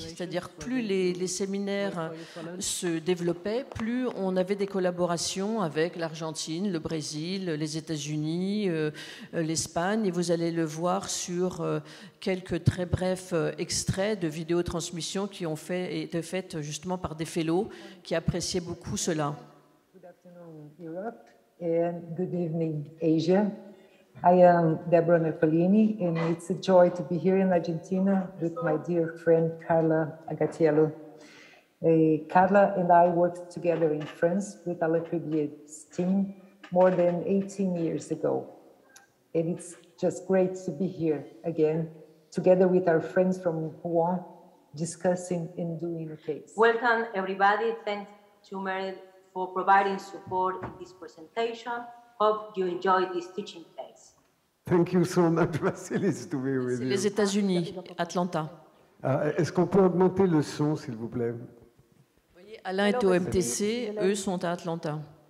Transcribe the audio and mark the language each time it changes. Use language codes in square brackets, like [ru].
[fr] C'est-à-dire, plus les séminaires se développaient, plus on avait des collaborations avec l'Argentine, le Brésil, les États-Unis, l'Espagne. Et vous allez le voir sur quelques très brefs extraits de vidéotransmissions qui ont été faites justement par des fellows qui appréciaient beaucoup cela. [en] Good afternoon, Europe, and good evening, Asia. I am Deborah Nepolini, and it's a joy to be here in Argentina with my dear friend Carla Agatiello. Carla and I worked together in France with Alain Cribier's team more than 18 years ago. And it's just great to be here again, together with our friends from Rouen, discussing and doing a case. Welcome, everybody. Thanks to Mary for providing support in this presentation. Hope you enjoy this teaching case. Thank you so much, Vasilis, to be with you. [fr] Les États-Unis, Atlanta. Est-ce qu'on peut augmenter le son, s'il vous plaît? Vous voyez, Alain est au MTC, eux sont à Atlanta.